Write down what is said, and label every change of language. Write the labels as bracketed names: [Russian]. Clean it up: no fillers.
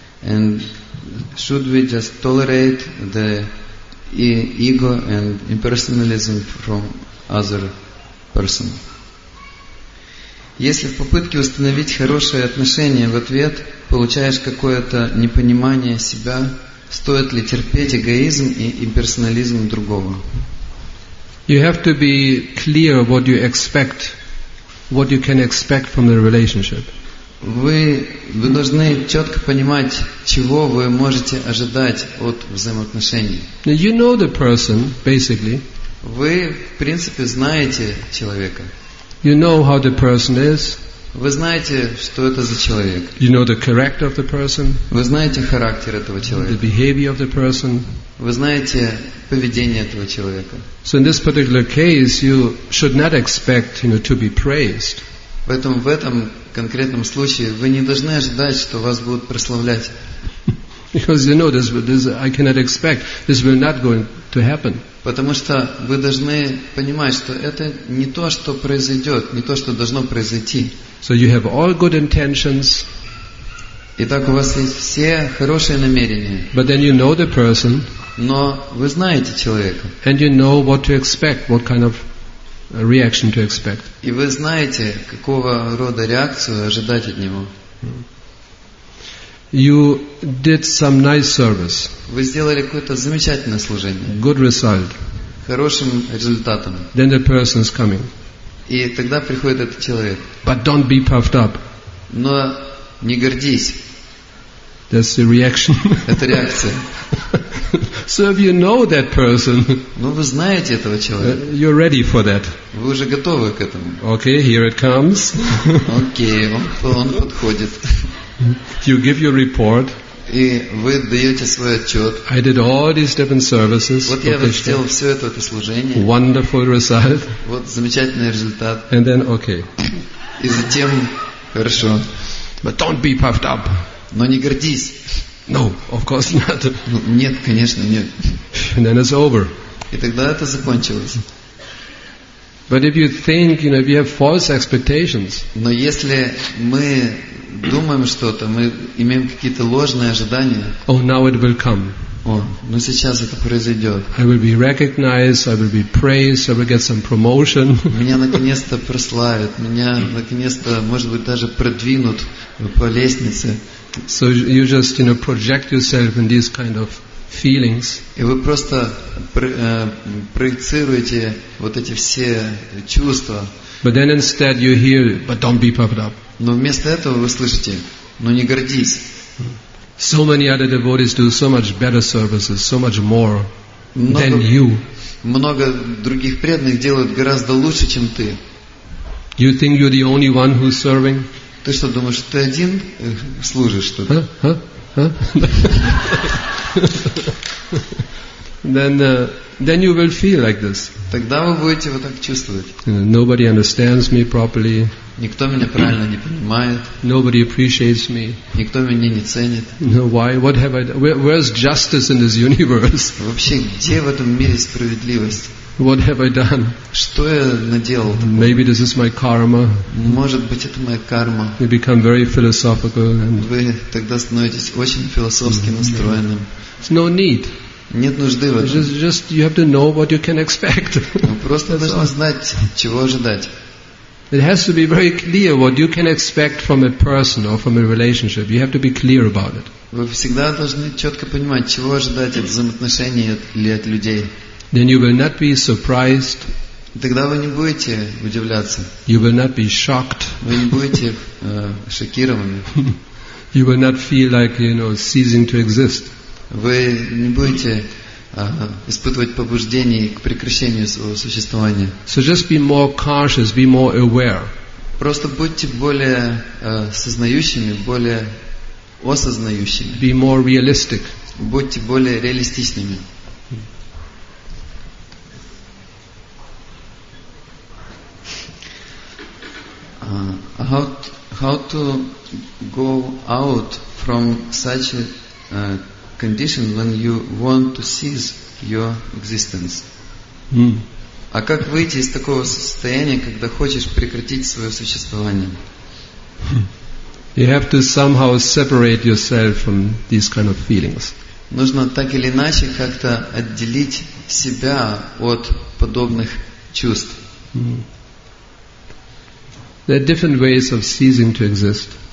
[English] And should we just tolerate the ego and impersonalism from other person? [Russian] Если в попытке установить хорошие отношения в ответ получаешь какое-то непонимание себя, стоит ли терпеть эгоизм и имперсонализм другого? [English] You have to be clear what you expect, what you can expect from the relationship. [Russian] Вы должны четко понимать, чего вы можете ожидать от взаимоотношений. [English] Now you know the person, basically. [Russian] Вы, в принципе, знаете человека. [English] You know how the person is. [Russian] Вы знаете, что это за человек. [English] You know the character of the person. [Russian] Вы знаете характер этого человека. [English] The behavior of the person. [Russian] Вы знаете поведение этого человека. [English] So in this particular case, you should not expect, you know, to be praised. [Russian] Поэтому в этом конкретном случае вы не должны ожидать, что вас будут прославлять. [English] Because you know this I cannot expect. This will not going to happen. [Russian] Потому что вы должны понимать, что это не то, что произойдет, не то, что должно произойти. [English] So you have all good intentions. [Russian] Итак, у вас есть все хорошие намерения. [English] But then you know the person. [Russian] Но вы знаете человека. [English] And you know what to expect, what kind of reaction to expect. [Russian] И вы знаете, какого рода реакцию ожидать от него. [English] You did some nice service. [Russian] Вы сделали какое-то замечательное служение. [English] Good result. [Russian] Хорошим результатом. [English] Then the person is coming. [Russian] И тогда приходит этот человек. [English] But don't be puffed up. [Russian] Но не гордись. [English] That's the reaction. [Russian] Это реакция. [English] So if you know that person, [Russian] ну вы знаете этого человека. [English] You're ready for that. [Russian] Вы уже готовы к этому. [English] Okay, here it comes. [Russian] Okay, он подходит. [English] You give your report. [Russian] И вы даете свой отчет. [English] I did all these different services. [Russian] Вот я вот сделал все это служение. [English] Wonderful result. [Russian] Вот замечательный результат. [English] And then okay. [Russian] И затем хорошо. [English] But don't be puffed up. [Russian] Но не гордись. [English] No, of course not. [Russian] Нет, конечно, нет. [English] And then it's over. [Russian] И тогда это закончилось. [English] But if you think, you know, if you have false expectations. [Russian] Но если мы думаем что-то, мы имеем какие-то ложные ожидания. [English] Oh, now it will come. [Russian] О, ну сейчас это произойдет. [English] I will be recognized, I will be praised, I will get some promotion. [Russian] Меня наконец-то прославят, меня наконец-то, может быть, даже продвинут по лестнице. [English] So you just, you know, project yourself in these kind of feelings. [Russian] И вы просто проецируете вот эти все чувства. [English] But then instead you hear, but don't be puffed up. [Russian] Но вместо этого вы слышите, но не гордись. [English] So many other devotees do so much better services, so much more than you. [Russian] Много других преданных делают гораздо лучше, чем ты. [English] You think you're the only one who's serving? [Russian] Ты что, думаешь, что ты один служишь, что ли? [English] Then you will feel like this. [Russian] Тогда вы будете вот так чувствовать. [English] Nobody understands me properly. [Russian] Никто меня правильно не понимает. [English] Nobody appreciates me. [Russian] Никто меня не ценит. [English] No, why? What have I done? Where's justice in this universe? [Russian] Вообще, где в этом мире справедливость? [English] What have I done? [Russian] Что я наделал? [English] Maybe this is my karma. [Russian] Может быть, это моя карма. [English] You become very philosophical. And [Russian] вы тогда становитесь очень философски настроенным. [English] No need. [Russian] Нет нужды в этом. [English] Just you have to know what you can expect. [Russian] Вы просто [English] That's [Russian] должны [English] all. [Russian] Знать, чего ожидать. [English] It has to be very clear what you can expect from a person or from a relationship. You have to be clear about it. [Russian] Вы всегда должны четко понимать, чего ожидать от взаимоотношений или от людей. [English] Then you will not be surprised. [Russian] Тогда вы не будете удивляться. [English] You will not be shocked. [Russian] Вы не будете шокированы. [English] You will not feel like, you know, ceasing to exist. [Russian] Вы не будете испытывать побуждение к прекращению своего существования. [English] So just be more cautious, be more aware. [Russian] Просто будьте более сознающими, более осознающими. [English] Be more realistic. [Russian] Будьте более реалистичными. [English] How to go out from such a condition when you want to cease your existence? [Russian] А как выйти из такого состояния, когда хочешь прекратить свое существование? [English] You have to somehow separate yourself from these kind of feelings. [Russian] Нужно так или иначе как-то отделить себя от подобных чувств. [English] There are different ways of ceasing to exist.